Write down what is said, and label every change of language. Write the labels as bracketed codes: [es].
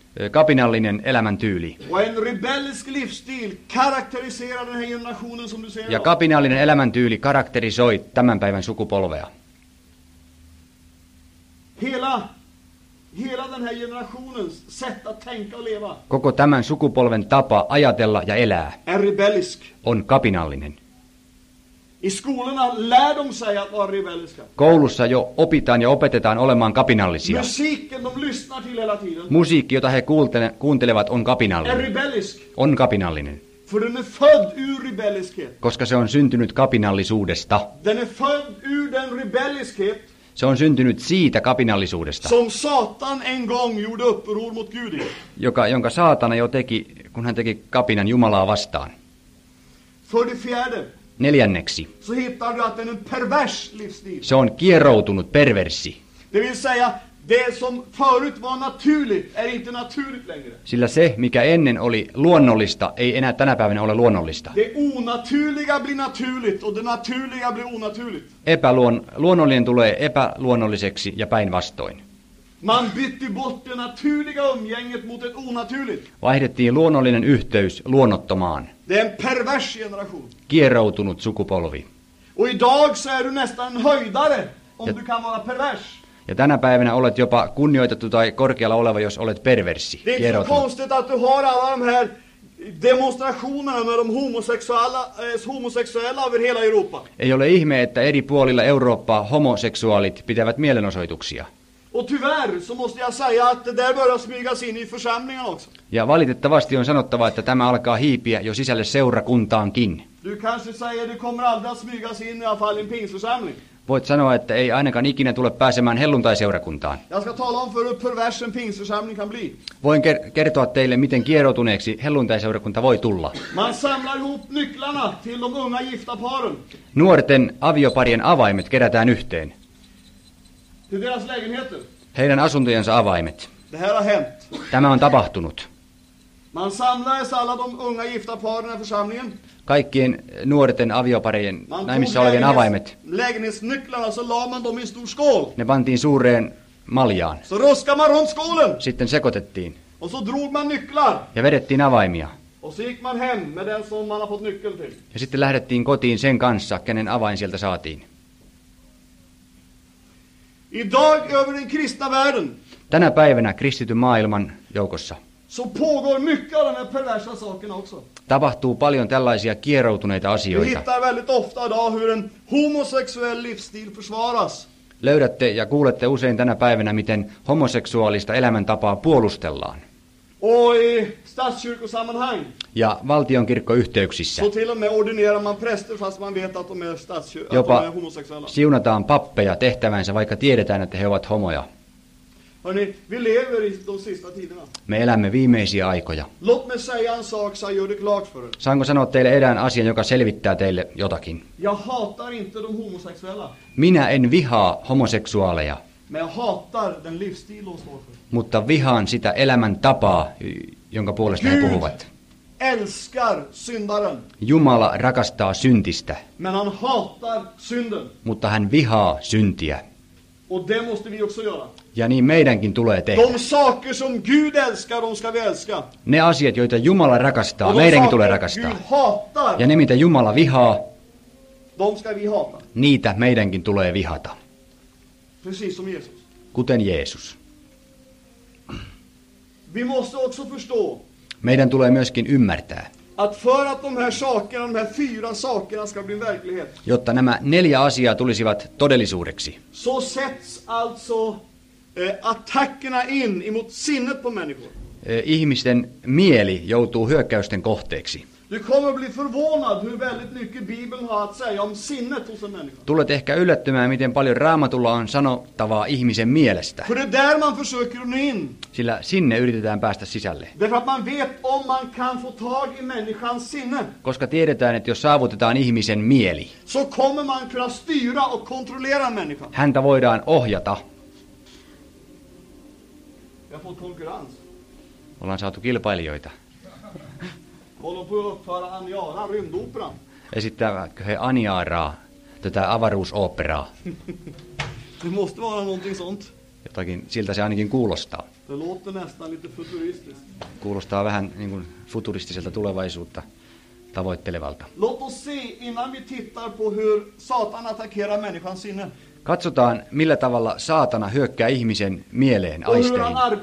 [fi] Kapinallinen elämäntyyli. [sv] En rebellisk livsstil karakteriserar den här generationen som du ser. [fi] Ja kapinallinen elämäntyyli karakterisoi tämän päivän sukupolvea. [sv] Hela den här generationens sätt att tänka och leva. [fi] Koko tämän sukupolven tapa ajatella ja elää. [sv] En rebellisk. [fi] On kapinallinen. [sv] I skolorna lär de sig att vara rebelliska. [fi] Koulussa jo opitaan ja opetetaan olemaan kapinallisia. [sv] Musiikin de lyssnar till hela tiden. [fi] Musiikki, jota he kuuntelevat, on kapinallinen. [sv] Är rebellisk. [fi] On kapinallinen. [sv] För den är född ur rebelliskhet. [fi] Koska se on syntynyt kapinallisuudesta. [sv] Den är född ur den rebelliskhet. [fi] Se on syntynyt siitä kapinallisuudesta. [sv] Som Satan en gång gjorde uppror mot Gudin. [fi] Jonka Saatana jo teki, kun hän teki kapinan Jumalaa vastaan. [sv] För det fjärde. [fi] Neljänneksi. [sv] Så hittar du att den är en pervers livsstil. [fi] Se on kieroutunut perversi. [sv] Det vill säga, det som förut var naturligt är inte naturligt längre. [fi] Sillä se, mikä ennen oli luonnollista, ei enää tänä päivänä ole luonnollista. [sv] Det onaturliga blir naturligt och det naturliga blir onaturligt. [fi] Luonnollinen tulee epäluonnolliseksi ja päinvastoin. [sv] Man bytte bort det naturliga umgänget mot ett onaturligt. [fi] Vaihdettiin luonnollinen yhteys luonnottomaan. [sv] Det är en pervers generation. [fi] Kieroutunut sukupolvi. [sv] Och idag så är du nästan höjdare om du kan vara pervers. [fi] Ja tänä päivänä olet jopa kunnioitettu tai korkealla oleva, jos olet perversi. [sv] Det är så konstigt att du har alla de här demonstrationerna med de homosexuella över hela Europa. [fi] Ei ole ihme, että eri puolilla Eurooppaa homoseksuaalit pitävät mielenosoituksia. [sv] Och tyvärr så måste jag säga att det där börjar smygas in i församlingen också. [fi] Ja valitettavasti on sanottava, että tämä alkaa hiipiä jo sisälle seurakuntaankin. [sv] Du kanske säger att du kommer aldrig att smygas in i alla fall i en pingstförsamling. [fi] Voit sanoa, että ei ainakaan ikinä tule pääsemään helluntaiseurakuntaan. [sv] Jag ska tala om för hur pervers en pingstförsamling kan bli. [fi] Voin kertoa teille, miten kieroutuneeksi helluntaiseurakunta voi tulla. [sv] Man samlar ihop nycklarna till de unga gifta paren. [fi] Nuorten avioparien avaimet kerätään yhteen. [sv] Till deras lägenheter. [fi] Heidän asuntojensa avaimet. [sv] Det här har hänt. [fi] Tämä on tapahtunut. [sv] Man samlas alla de unga gifta parerna i församlingen. [fi] Kaikkien nuorten avioparien naimissa olevien avaimet. [sv] Lägenhetsnycklarna så la man dem i stor skål. [fi] Ne pantiin suureen maljaan. [sv] Så roskade man runt skålen. [fi] Sitten sekoitettiin. [sv] Och så drog man nycklar. [fi] Ja vedettiin avaimia. [sv] Och så gick man hem med den som man har fått nyckel till. [fi] Ja sitten lähdettiin kotiin sen kanssa, kenen avain sieltä saatiin. [sv] Idag över den kristna världen. [fi] Tänä päivänä kristityn maailman joukossa. [sv] Så pågår mycket av de här perversa sakerna också. [fi] Tapahtuu paljon tällaisia kieroutuneita asioita. [sv] Vi hittar väldigt ofta idag hur en homosexuell livsstil försvaras. [fi] Löydätte ja kuulette usein tänä päivänä, miten homoseksuaalista elämäntapaa puolustellaan. [sv] Oi, statskyrkosammanhang. [fi] Ja valtionkirkkoyhteyksissä. [sv] Så till och med ordinerar man präster fast man vet att de är statskyrkosammanhang. [fi] Jopa siunataan pappeja tehtävänsä, vaikka tiedetään, että he ovat homoja. [sv] Hörni, vi lever i de sista tiderna. [fi] Me elämme viimeisiä aikoja. [sv] Låt mig säga en sak så jag gör det klart för er. [fi] Saanko sanoa teille erään asian, joka selvittää teille jotakin? [sv] Jag hatar inte de homosexuella. [fi] Minä en vihaa homoseksuaaleja. [sv] Men jag hatar den livsstil de står för. [fi] Mutta vihaan sitä elämän tapaa, jonka puolesta [sv] Gud [fi] he puhuvat. [sv] Älskar syndaren. [fi] Jumala rakastaa syntistä. [sv] Men han hatar synden. [fi] Mutta hän vihaa syntiä. [sv] Och det måste vi också göra. [fi] Ja niin meidänkin tulee tehdä. [sv] De saker som Gud älskar, de ska vi älska. [fi] Ne asiat, joita Jumala rakastaa, meidänkin tulee rakastaa. [sv] Gud hatar. [fi] Ja ne, mitä Jumala vihaa, [sv] de ska vi hata. [fi] Niitä meidänkin tulee vihata. [sv] Precis som Jesus. [fi] Kuten Jeesus. [sv] Vi måste också förstå. [fi] Meidän tulee myöskin ymmärtää. [sv] Att för att de här sakerna, de här fyra sakerna ska bli verklighet. [fi] Jotta nämä neljä asiaa tulisivat todellisuudeksi. [sv] Så sätts alltså attackerna in emot sinnet på människor. [fi] Ihmisten mieli joutuu hyökkäysten kohteeksi. [sv] Du kommer bli förvånad hur väldigt mycket Bibeln har att säga om sinnet hos en människa. [fi] Tulet ehkä yllättymään, miten paljon Raamatulla on sanottavaa ihmisen mielestä. [sv] För det är där man försöker nå in. [fi] Sillä sinne yritetään päästä sisälle. [sv] Därför att man vet om man kan få tag i människans sinne. [fi] Koska tiedetään, että jos saavutetaan ihmisen mieli. [sv] Så kommer man kunna styra och kontrollera människan. [fi] Häntä voidaan ohjata. [sv] Vi har fått konkurrens. [fi] Ollaan saatu kilpailijoita. [sv] Håller på att uppföra Aniara, rymdoperan. [fi] Esittävätkö he Aniaraa, tätä avaruusoperaa? [sv] Det måste vara någonting sånt. [fi] Jotakin, siltä se ainakin kuulostaa. [sv] Det låter nästan lite futuristiskt. [fi] Kuulostaa vähän niin kuin futuristiselta tulevaisuutta tavoittelevalta. [sv] Låt oss se innan vi tittar på hur Satan attackerar människan sinne. [fi] Katsotaan, millä tavalla saatana hyökkää ihmisen mieleen, aisteihin.